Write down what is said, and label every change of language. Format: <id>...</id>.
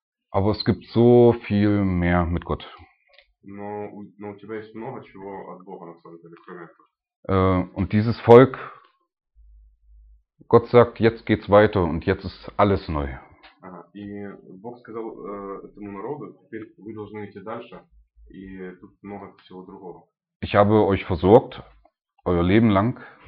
<de>Aber es gibt so viel mehr mit Gott.</de> <ru>Но у тебя есть много чего от Бога, на самом деле, кроме этого.</ru> <de>Und dieses Volk, Gott sagt, jetzt geht's weiter und jetzt ist alles neu.</de> <ru>И Бог сказал этому народу, теперь вы должны идти дальше, и тут много всего другого.</ru> <de>Ich habe euch versorgt, euer Leben lang.</de>